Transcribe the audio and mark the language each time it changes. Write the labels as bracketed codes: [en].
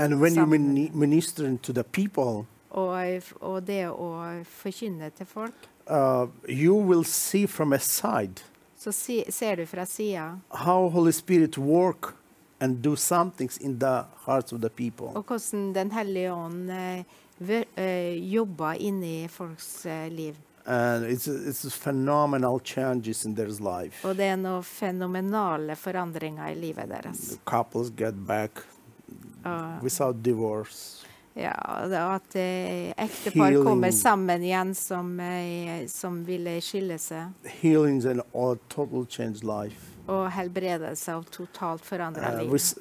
[en] And when you minister to the people, [no] og det å forkynne til folk, [en] you will see from a side, [no] så ser du fra siden, [en] how Holy Spirit work and do some things in the hearts of the people. [no] Og hvordan den hellige ånden jobber inn i folks liv. [en] And it's phenomenal changes in their life. [no] Og det er noen fenomenale forandringer i livet deres. The [en] couples get back without divorce. [no] Ja, at ektepar kommer sammen igjen som ville skille seg. [en] Healings and all total change life. [no] Og helbrede seg og totalt forandre livet.